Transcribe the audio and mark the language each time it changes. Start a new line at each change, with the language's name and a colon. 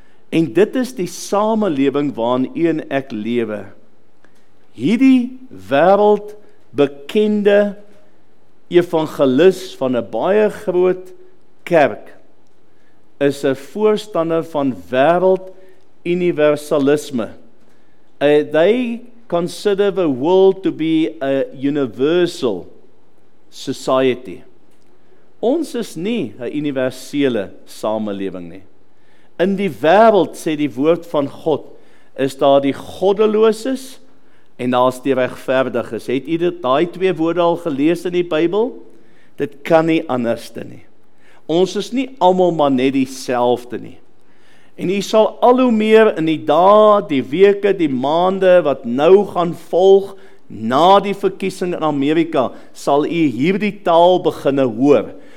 Afrikaans: En dit is die samelewing waarin u en ek lewe. Hierdie wêreld bekende evangelis van 'n baie groot kerk is 'n voorstander van wêreld universalisme.
English: They consider the world to be a universal society.
Afrikaans: Ons is nie 'n universele samelewing nie. In die wêreld, sê die woord van God, is daar die goddeloses en daar is die regverdiges. Het u daai twee woorde al gelees in die Bybel? Dit kan nie anders te nie. Ons is nie almal maar net dieselfde nie. En u sal al hoe meer in die dae, die weke, die maande wat nou gaan volg na die verkiesing in Amerika, sal u hierdie taal beginne hoor.